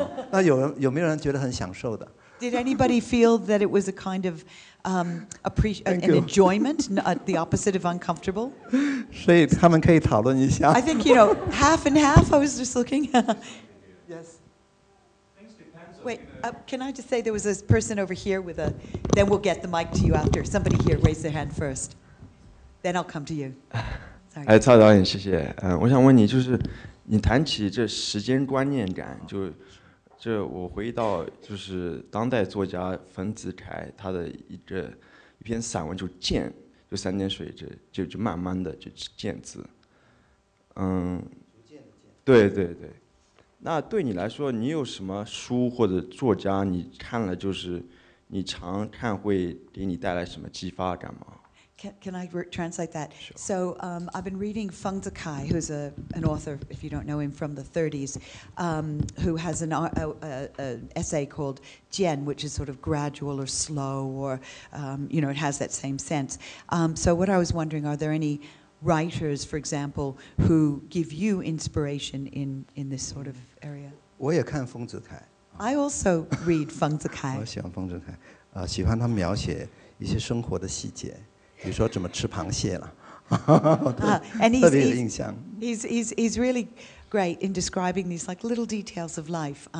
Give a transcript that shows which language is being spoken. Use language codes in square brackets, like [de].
[zh] 那有没有人觉得很享受的？ [en] Did anybody feel that it was a kind of an enjoyment, the opposite of uncomfortable? [zh] 所以他们可以讨论一下。 [en] I think, you know, half and half, I was just looking. Yes. Wait, can I just say there was a person over here with a, then we'll get the mic to you after. Somebody here, raise their hand first. Then I'll come to you. Sorry. [zh] 蔡导演，谢谢。我想问你就是 你谈起这时间观念感，就我回忆到就是当代作家丰子恺他的一篇散文就《箭》，就三点水，就慢慢的就《箭》字。对对对。那对你来说，你有什么书或者作家，你看了就是你常看会给你带来什么激发感吗？ [en] Can I translate that? Sure. So I've been reading Feng Zakai, who's an author, if you don't know him, from the 30s, who has an essay called Jian, which is sort of gradual or slow, or you know, it has that same sense. So what I was wondering, are there any writers, for example, who give you inspiration in this sort of area? [zh] 我也看丰子恺。 [en] I also read Feng Zakai. [zh] 我喜欢丰子恺，喜欢他描写一些生活的细节。比如说怎么吃螃蟹了，特别有印象。 [en] He's really great in describing these like little details of life.